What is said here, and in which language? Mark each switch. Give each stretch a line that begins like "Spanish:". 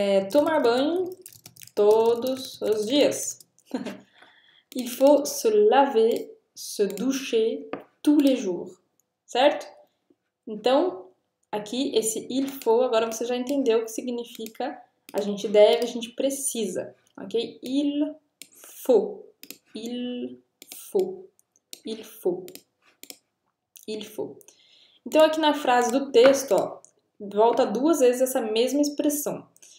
Portuguese: Tomar banho todos os dias.
French: Il faut se laver, se doucher tous les jours, certo?
Portuguese: Então, aqui, esse
French: il faut,
Portuguese: agora você já entendeu o que significa a gente deve, a gente precisa, ok?
French: Il faut. Il faut. Il faut. Il faut.
Portuguese: Então, aqui na frase do texto, ó, volta duas vezes essa mesma expressão.